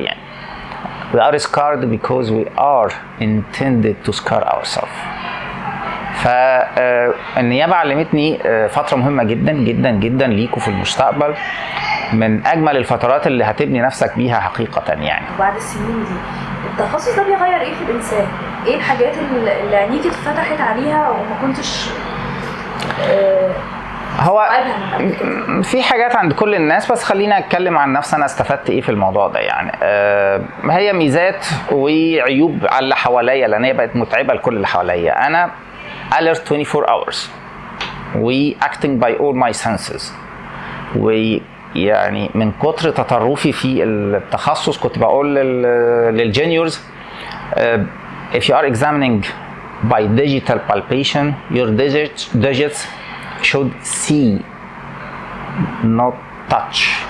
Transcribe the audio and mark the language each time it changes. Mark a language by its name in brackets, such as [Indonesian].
[English] يعني we are scarred because we are intended to scar ourselves. [Arabic] فالنيابة علمتني فترة مهمة جدا جدا جدا ليكوا في المستقبل، من اجمل الفترات اللي هتبني نفسك بيها حقيقة. يعني بعد السنين دي التخصص ده بيغير ايه في الانسان؟ ايه الحاجات اللي عينيك اتفتحت عليها وما كنتش هو في حاجات عند كل الناس، بس خلينا اتكلم عن نفسي انا استفدت ايه في الموضوع ده. يعني هي ميزات وعيوب على اللي حواليا، لان هي بقت متعبه لكل اللي حواليا. [English] انا alert 24 hours وacting by all my senses، [Arabic] ويعني من كتر تطرفي في التخصص كنت بقول للجينيورز [English] if you are examining by digital palpation your digits should see not touch.